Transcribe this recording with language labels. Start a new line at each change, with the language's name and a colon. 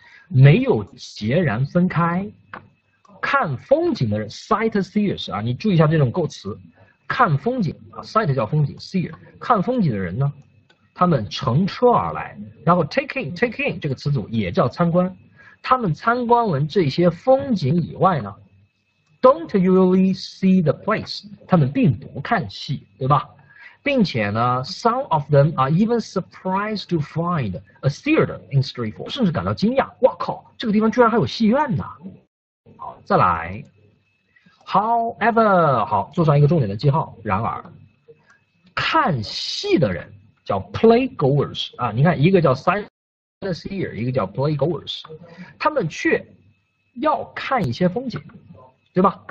Chinese: 没有截然分开，看风景的人 sightseers 啊，你注意一下这种构词，看风景啊，sight 叫风景，seer 看风景的人呢，他们乘车而来，然后 take in 这个词组也叫参观，他们参观完这些风景以外呢，
English: don't usually see the place，
Chinese: 他们并不看戏，对吧？并且呢，
English: some of them are even surprised to find a theater in Streetford，
Chinese: 甚至感到惊讶。哇靠，这个地方居然还有戏院呢！好，再来。 However，好，做上一个重点的记号。然而，看戏的人叫 playgoers 啊，你看，一个叫 sightseer，一个叫 playgoers，他们却要看一些风景，对吧？